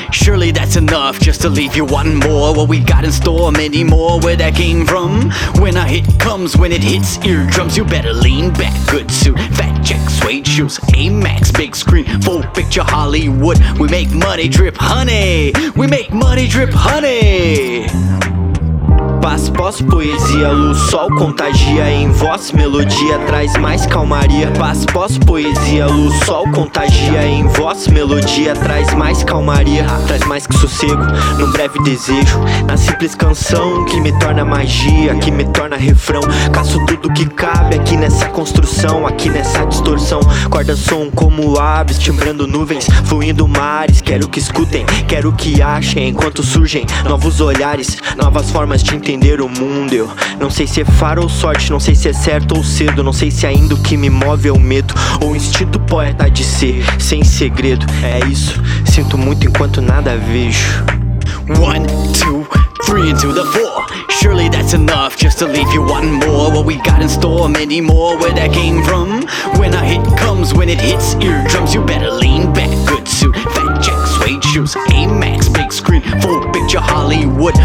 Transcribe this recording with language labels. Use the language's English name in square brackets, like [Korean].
[English] Surely that's enough just to leave you wanting more. What we got in store, many more, where that came from. When a hit comes, when it hits eardrums, you better lean back. Good suit, fat check, suede shoes, A-Max, big screen, full picture Hollywood. We make money drip, honey. We make money drip, honey. [Portuguese] Paz, pós, poesia, luz, sol, contagia em voz, melodia traz mais calmaria. Paz, pós, poesia, luz, sol, contagia em voz, melodia traz mais calmaria. Traz mais que sossego, num breve desejo, na simples canção que me torna magia, que me torna refrão. Caço tudo que cabe aqui nessa construção, aqui nessa distorção. Corda som como aves, timbrando nuvens, fluindo mares. Quero que escutem, quero que achem, enquanto surgem novos olhares, novas formas de entender o mundo. Eu não sei se é faro ou sorte, não sei se é certo ou cedo, não sei se ainda o que me move é o medo ou o instinto poeta de ser sem segredo. É isso, sinto muito enquanto nada vejo. [English] 1, 2, 3 into the 4. Surely that's enough just to leave you wanting more. What we got in store, many more, where that came from. When a hit comes, when it hits eardrums, you better lean back. Good suit, fat check, suede shoes, A-Max, big screen, full picture Hollywood.